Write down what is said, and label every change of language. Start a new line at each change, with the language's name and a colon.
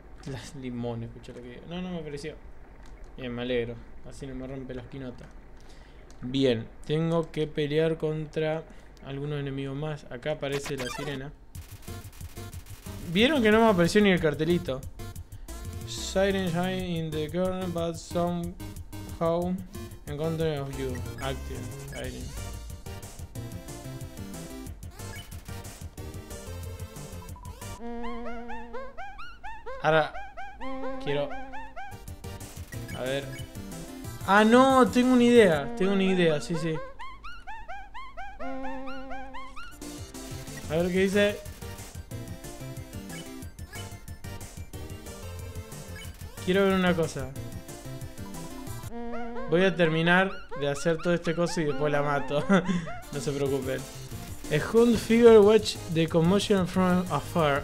Spanish: Las limones, escucha lo que digo. No, no me apareció. Bien, me alegro. Así no me rompe la esquinota. Bien, tengo que pelear contra algunos enemigos más. Acá aparece la sirena. ¿Vieron que no me apareció ni el cartelito?
English: Siren shine in the corner, but somehow in control of you. Active, Siren.
Spanish: Ahora quiero. A ver. Ah, no, tengo una idea. Tengo una idea, sí. A ver qué dice. Quiero ver una cosa. Voy a terminar de hacer todo este coso y después la mato. No se preocupen.
English: A hound figure watch the commotion from afar.